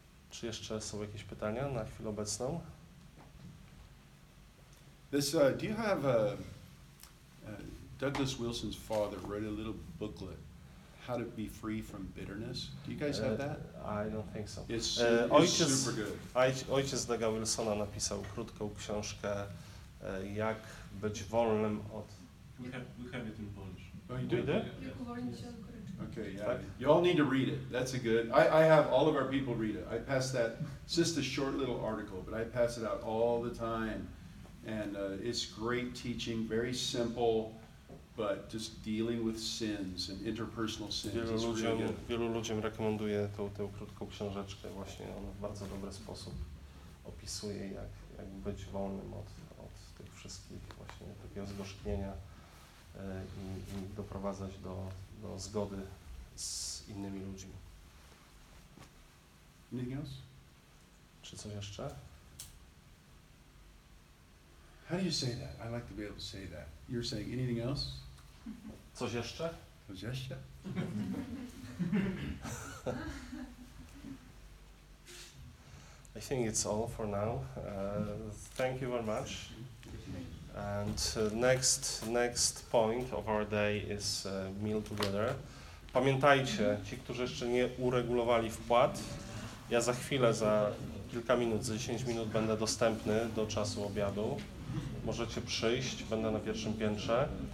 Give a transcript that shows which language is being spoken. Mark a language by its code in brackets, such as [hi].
[pl] Czy jeszcze są jakieś pytania na chwilę obecną? [en] Do you have Douglas Wilson's father wrote a little booklet how to be free from bitterness. Do you guys have that? I don't think so. It's super good. [pl] Ojciec Douga Wilsona napisał krótką książkę, jak być wolnym od... [en] We have it in Polish. Oh, you did? Yeah. Okay, yeah. You all need to read it. That's a good... I have all of our people read it. I pass that... It's just a short little article, but I pass it out all the time. And it's great teaching, very simple, but just dealing with sins and interpersonal sins. [pl] Wielu ludziom rekomenduję tę krótką książeczkę właśnie. Ona w bardzo dobry sposób opisuje, jak być wolnym od tych wszystkich właśnie takiego zgorzknienia. I doprowadzać do zgody z innymi ludźmi. [en] Anything else? [pl] Czy coś jeszcze? [en] How do you say that? I like to be able to say that. You're saying anything else? [pl] Coś jeszcze? Coś jeszcze? [en] I think it's all for now. Thank you very much. And next point of our day is meal together. [pl] Pamiętajcie, ci, którzy jeszcze nie uregulowali wpłat, ja za chwilę, za kilka minut, za 10 minut będę dostępny do czasu obiadu. Możecie przyjść, będę na pierwszym piętrze.